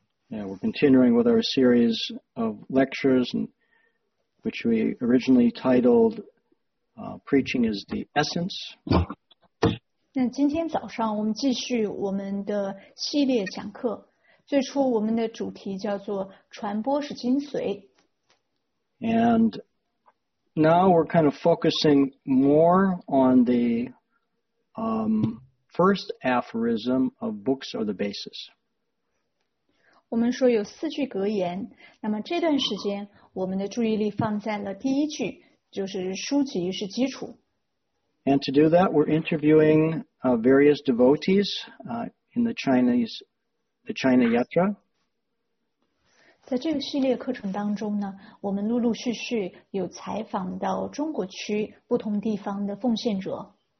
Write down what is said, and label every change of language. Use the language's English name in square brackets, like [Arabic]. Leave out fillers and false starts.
[English] Yeah, we're continuing with our series of lectures, which we originally titled Preaching is the Essence. [Chinese] 那今天早上我们继续我们的系列讲课, 最初我们的主题叫做传播是精髓。 [English] And now we're kind of focusing more on the first aphorism of books are the basis. [Chinese] 我们说有四句格言, 那么这段时间我们的注意力放在了第一句, 就是书籍是基础。 [English] And to do that, we're interviewing various devotees in the China Yatra. [Chinese] 在这个系列课程当中呢, 我们陆陆续续有采访到中国区不同地方的奉献者。